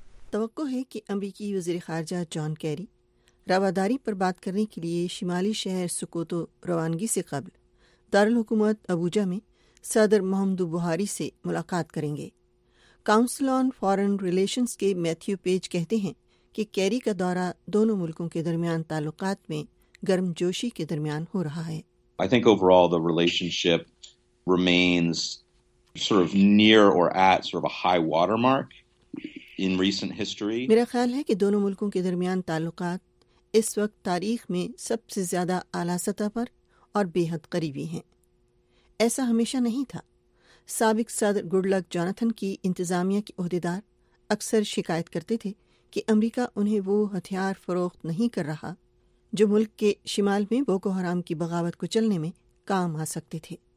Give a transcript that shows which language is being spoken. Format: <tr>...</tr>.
<ur>توقع ہے کہ امریکی وزیر خارجہ جان کیری رواداری پر بات کرنے کے لیے شمالی شہر سکوتو روانگی سے قبل دارالحکومت ابوجا میں صدر محمد بخاری سے ملاقات کریں گے. کاؤنسل آن فارن ریلیشنز کے میتھیو پیج کہتے ہیں کہ کیری کا دورہ دونوں ملکوں کے درمیان تعلقات میں گرم جوشی کے درمیان ہو رہا ہے.</ur> <en>I think overall the relationship remains sort of near or at sort of a high watermark in recent history.</en> <ur>میرا خیال ہے کہ دونوں ملکوں کے درمیان تعلقات اس وقت تاریخ میں سب سے زیادہ اعلیٰ سطح پر اور بے حد قریبی ہیں. ایسا ہمیشہ نہیں تھا. سابق صدر گڈ لک جاناتھن کی انتظامیہ کے عہدیدار اکثر شکایت کرتے تھے کہ امریکہ انہیں وہ ہتھیار فروخت نہیں کر رہا جو ملک کے شمال میں بوکو حرام کی بغاوت کچلنے میں کام آ سکتے تھے.</ur>